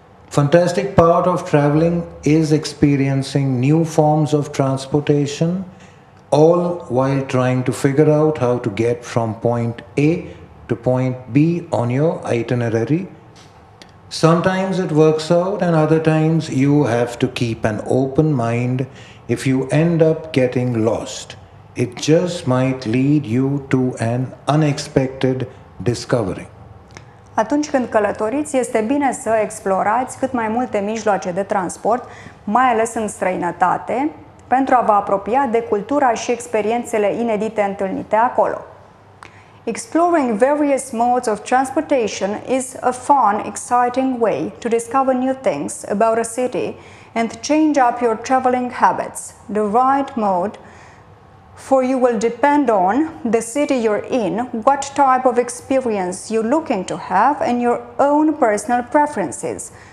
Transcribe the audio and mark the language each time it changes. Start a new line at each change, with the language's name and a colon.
English: Fantastic part of traveling is experiencing new forms of transportation, all while trying to figure out how to get from point A to point B on your itinerary. Sometimes it works out, and other times you have to keep an open mind if you end up getting lost. It just might lead you to an unexpected discovery.
Romanian: Atunci când călătoriți, este bine să explorați cât mai multe mijloace de transport, mai ales în străinătate, pentru a vă apropia de cultura și experiențele inedite întâlnite acolo.
English: Exploring various modes of transportation is a fun, exciting way to discover new things about a city and change up your traveling habits. The right mode for you will depend on the city you're in, what type of experience you're looking to have, and your own personal preferences.